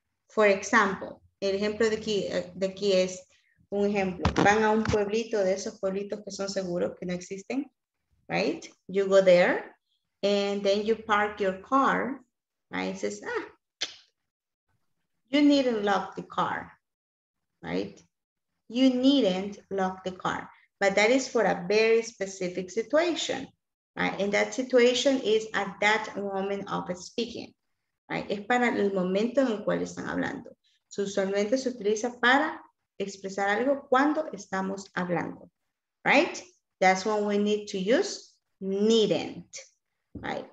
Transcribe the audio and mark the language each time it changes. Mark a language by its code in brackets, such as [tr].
[en] For example, [es] el ejemplo de aquí es un ejemplo. Van a un pueblito de esos pueblitos que son seguros, que no existen, right? [en] You go there and then you park your car, right? It says, you needn't lock the car, right? You needn't lock the car, but that is for a very specific situation, right? And that situation is at that moment of speaking, right? [es] Es para el momento en el cual están hablando. So, usualmente se utiliza para expresar algo cuando estamos hablando, right? [en] That's when we need to use needn't, right?